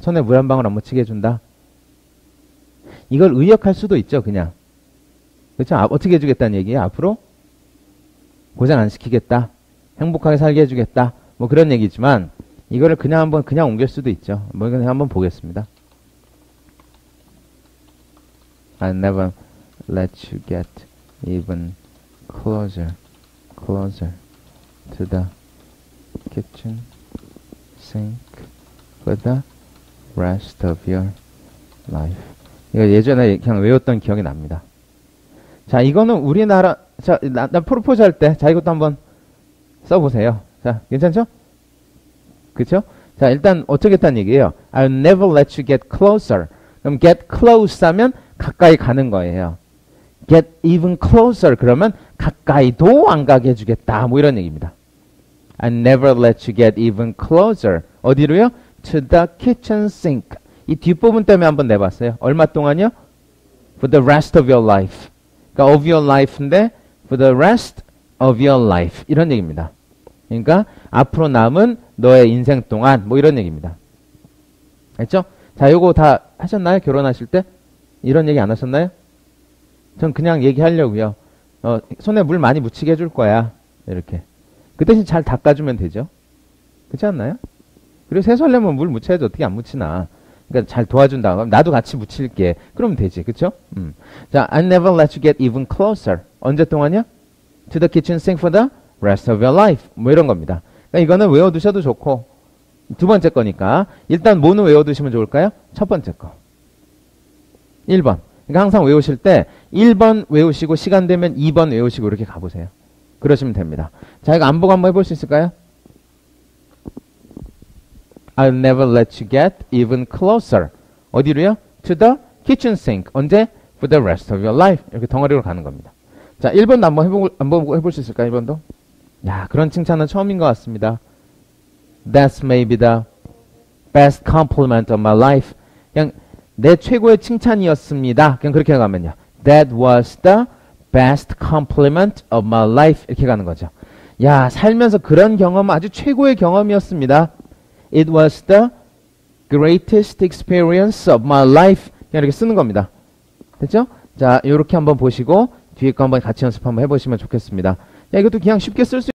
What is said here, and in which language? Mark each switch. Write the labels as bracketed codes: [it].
[ko] 손에 물 한 방울 안 묻히게 해준다. 이걸 의역할 수도 있죠, 그냥. 그쵸? 아, 어떻게 해주겠다는 얘기야, 앞으로? 고생 안 시키겠다. 행복하게 살게 해주겠다. 뭐 그런 얘기지만, 이거를 그냥 한번, 그냥 옮길 수도 있죠. 뭐 그냥 한번 보겠습니다. [en] I never let you get even closer to the kitchen sink for the rest of your life. [ko] 이거 예전에 그냥 외웠던 기억이 납니다. 자, 이거는 우리나라, 자, 나 프로포즈 할 때, 자, 이것도 한번 써보세요. 자, 괜찮죠? 그쵸? 자, 일단 어쩌겠다는 얘기예요. [en] I'll never let you get closer. [ko] 그럼 [en] get close [ko] 하면 가까이 가는 거예요. [en] Get even closer [ko] 그러면 가까이도 안 가게 해주겠다. 뭐 이런 얘기입니다. [en] I'll never let you get even closer. [ko] 어디로요? [en] To the kitchen sink. [ko] 이 뒷부분 때문에 한번 내봤어요. 얼마 동안이요? [en] For the rest of your life. [ko] 그러니까 [en] of your life인데 for the rest of your life. [ko] 이런 얘기입니다. 그러니까 앞으로 남은 너의 인생 동안 뭐 이런 얘기입니다. 알죠? 자, 요거 다 하셨나요? 결혼하실 때? 이런 얘기 안 하셨나요? 전 그냥 얘기하려고요. 손에 물 많이 묻히게 해줄 거야. 이렇게. 그 대신 잘 닦아주면 되죠. 그렇지 않나요? 그리고 세수하려면 물 묻혀야지 어떻게 안 묻히나. 그러니까 잘 도와준다. 그럼 나도 같이 묻힐게. 그러면 되지. 그쵸? [en] 자, I never let you get even closer. [ko] 언제 동안이요? [en] To the kitchen sink for the rest of your life. [ko] 뭐 이런 겁니다. 그러니까 이거는 외워두셔도 좋고. 두 번째 거니까. 일단 뭐는 외워두시면 좋을까요? 첫 번째 거. 1번. 그러니까 항상 외우실 때 1번 외우시고 시간 되면 2번 외우시고 이렇게 가보세요. 그러시면 됩니다. 자, 이거 안 보고 한번 해볼 수 있을까요? [en] I'll never let you get even closer. [ko] 어디로요? [en] To the kitchen sink. [ko] 언제? [en] For the rest of your life. [ko] 이렇게 덩어리로 가는 겁니다. 자, 1번도 한번 해볼 수 있을까요? 1번도? 야, 그런 칭찬은 처음인 것 같습니다. [en] That's maybe the best compliment of my life. [ko] 그냥 내 최고의 칭찬이었습니다. 그냥 그렇게 가면요. [en] That was the best compliment of my life. [ko] 이렇게 가는 거죠. 야, 살면서 그런 경험은 아주 최고의 경험이었습니다. [en] It was the greatest experience of my life. [ko] 그냥 이렇게 쓰는 겁니다. 됐죠? 자, 이렇게 한번 보시고 뒤에 거 한번 같이 연습 한번 해보시면 좋겠습니다. 야, 이것도 그냥 쉽게 쓸 수